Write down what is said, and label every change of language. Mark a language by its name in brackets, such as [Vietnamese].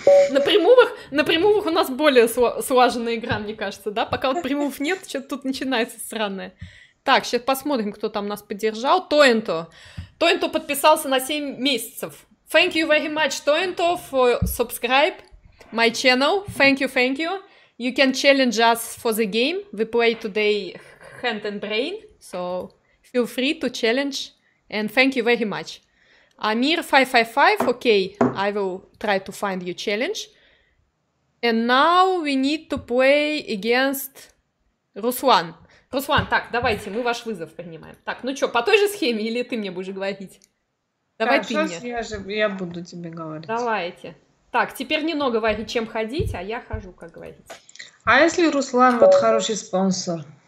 [Russian] На прямовых у нас более слаженная игра, мне кажется, да? Пока вот прямовых нет, что-то тут начинается странное. Так, сейчас посмотрим, кто там нас поддержал. Тоенто. Тоенто подписался на 7 месяцев. [English] Thank you very much, Тоенто, for subscribe my channel. Thank you, thank you. You can challenge us for the game. We play today hand and brain, so feel free to challenge. And thank you very much. Amir 555, okay, I will try to find your challenge. And now we need to play against Ruslan. [Russian] Руслан, так, давайте, мы ваш вызов принимаем. Так, ну чё, по той же схеме или ты мне будешь говорить? Давай так, ты мне. Я буду тебе говорить. Давайте. Так, теперь не много говорить, чем ходить, а я хожу, как говорить. А если Руслан вот хороший спонсор?